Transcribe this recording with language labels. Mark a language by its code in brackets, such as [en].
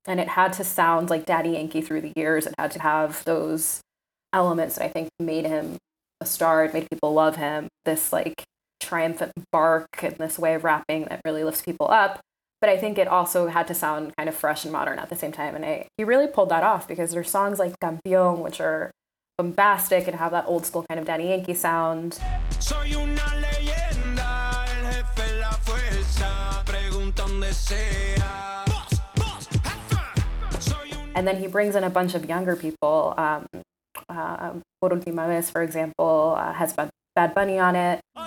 [en] And it had to sound like Daddy Yankee through the years. It had to have those elements that I think made him a star, made people love him. This like triumphant bark and this way of rapping that really lifts people up. But I think it also had to sound kind of fresh and modern at the same time. And he really pulled that off, because there's songs like Campeón, which are bombastic and have that old school kind of Daddy Yankee sound. [es] Soy una leyenda, el jefe la fuerza, preguntan de sea. [en] And then he brings in a bunch of younger people. Por Última Vez, for example, has Bad Bunny on it.